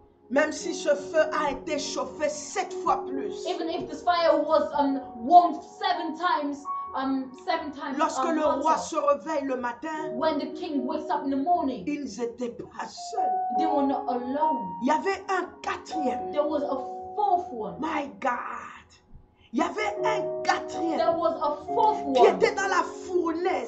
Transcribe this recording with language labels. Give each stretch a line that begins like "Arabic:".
French: Même si ce feu a été chauffé 7 fois plus.
English: Even if this fire was warmed 7 times.
French: Lorsque le roi se réveille le matin,
English: when the king wakes up in the morning,
French: ils n'étaient pas seuls.
English: They were not alone.
French: Il y avait un quatrième.
English: There was a fourth one. My God.
French: Il y avait un quatrième.
English: There was a fourth one.
French: Qui était dans la fournaise.